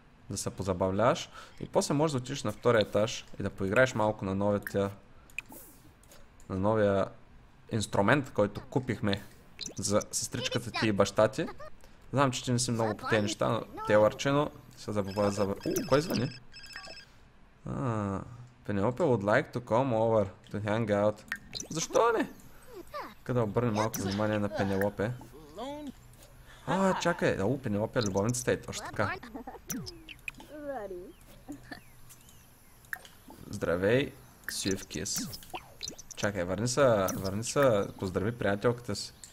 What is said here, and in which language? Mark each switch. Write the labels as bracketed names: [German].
[Bulgarian] Да се позабавляваш. И после можеш да отидеш на втория етаж и да поиграеш малко на новия, на новия инструмент, който купихме за сестричката ти и баща ти. Знам, че ти не си много по тези неща, но те е лърчено. Се забавляваш. Уу, кой звъни? [English] Penelope would like to come over to hang out. [Bulgarian] Защо не? Къде обърнем малко внимание на Penelope. А, чакай. Уу, Penelope е любовницата и точно така. Здравей, Swift Kiss. Чакай, върни се, върни се, поздрави приятелката си.